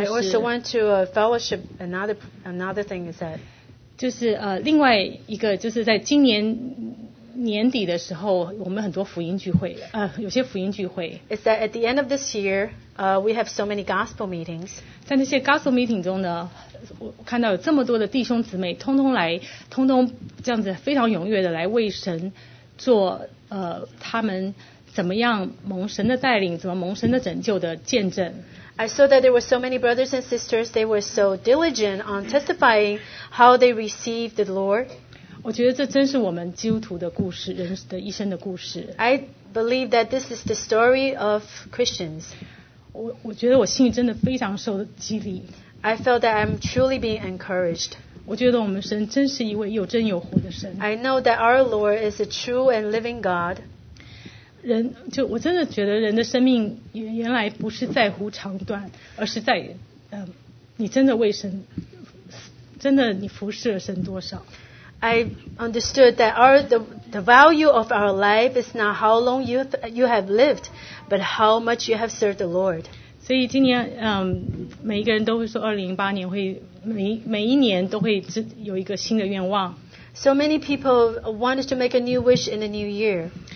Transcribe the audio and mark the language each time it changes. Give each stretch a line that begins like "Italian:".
English: I also want to fellowship another thing is that
Chinese: 就是另外一个就是在今年年底的时候，我们很多福音聚会，有些福音聚会
English: is that at the end of this year, we have so many gospel meetings.
Chinese: 在那些
English: gospel meeting
Chinese: 中呢，我看到有这么多的弟兄姊妹，通通来，通通这样子非常踊跃的来为神做他们。怎么样蒙神的带领，怎么蒙神的拯救的见证。
English: I saw that there were so many brothers and sisters, they were so diligent on testifying how they received the Lord.
Chinese: 我觉得这真是我们基督徒的故事，人的一生的故事。
English: I believe that this is the story of Christians.
Chinese: 我觉得我心里真的非常受激励。
English: I felt that I'm truly being encouraged.
Chinese: 我觉得我们神真是一位有真有活的神。
English: I know that our Lord is a true and living God.
Chinese: 人就我真的觉得人的生命原来不是在乎长短，而是在你真的为神，真的你服侍了神多少。
English: I understood that the value of our life is not how long you have lived, but how much you have served the Lord.
Chinese: 所以今年每一个人都会说2018年会每一年都会有一个新的愿望。
English: So many people wanted to make a new wish in the new year.